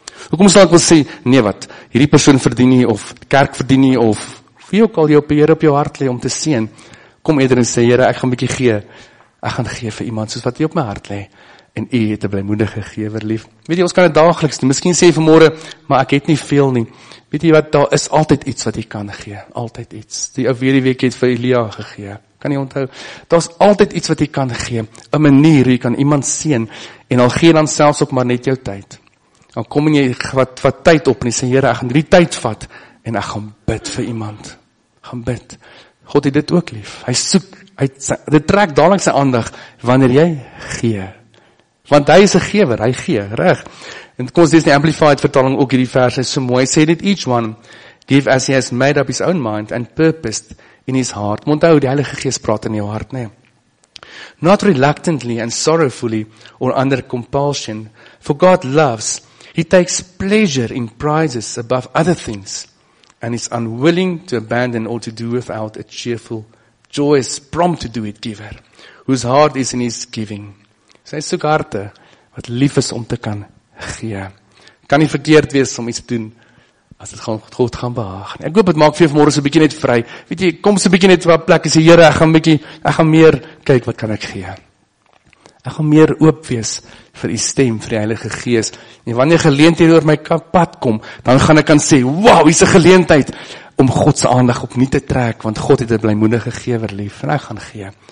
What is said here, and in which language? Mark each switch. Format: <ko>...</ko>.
<af>Hoekom sal ek wil sê, nee wat, hierdie persoon verdien nie, of kerk verdien nie, of wie ook al jou Here op jou hart lê om te seën, kom eerder en sê, Here, ek gaan 'n bietjie gee, ek gaan gee vir iemand soos wat jy op my hart lê, en jy het 'n blymoedige gewer lief. Weet jy, ons kan dit daagliks doen, miskien sê jy vanmôre, maar ek het nie veel nie. Weet jy wat, daar is altyd iets wat jy kan gee. Altyd iets. Die ou weer die week het vir Elia gegee. Kan jy onthou? Daar's altyd iets wat jy kan gee. 'n Manier jy kan iemand seën. En al gee dan selfs ook maar net jou tyd. Dan kom jy wat tyd op en jy sê, Here, ek gaan hierdie tyd vat. En ek gaan bid vir iemand. Gaan bid. God het dit ook lief. Hy soek, dit trek dadelijk sy aandag. Wanneer jy gee. Want hy is 'n gewer, hy gee, reg. En kom ons lees die Amplified vertaling ook hierdie vers, is so mooi, sê dit,</af> <en>each one give as he has made up his own mind and purposed in his heart.</en> <af>Moet onthou, die Heilige Gees praat in jou hart, nee.</af> <en>Not reluctantly and sorrowfully or under compulsion, for God loves, he takes pleasure in prizes above other things and is unwilling to abandon or to do without a cheerful, joyous, prompt to do it giver, whose heart is in his giving.</en> <af>Sy soek harte wat lief is om te kan gee. Kan nie verkeerd wees om iets te doen as dit gaan God gaan behaag. Ek hoop dit maak vir jou vanmôre so 'n bietjie net vry. Weet jy, kom so 'n bietjie net op 'n plek en sê Here, ek gaan meer kyk wat kan ek gee. Ek gaan meer oop wees vir u stem, vir die Heilige Gees. En wanneer geleenthede oor my pad kom, dan gaan ek kan sê, "Wow, hier's 'n geleentheid om God se aandag op nie te trek want God het 'n blymoedige gewer lief en ek gaan gee."</af>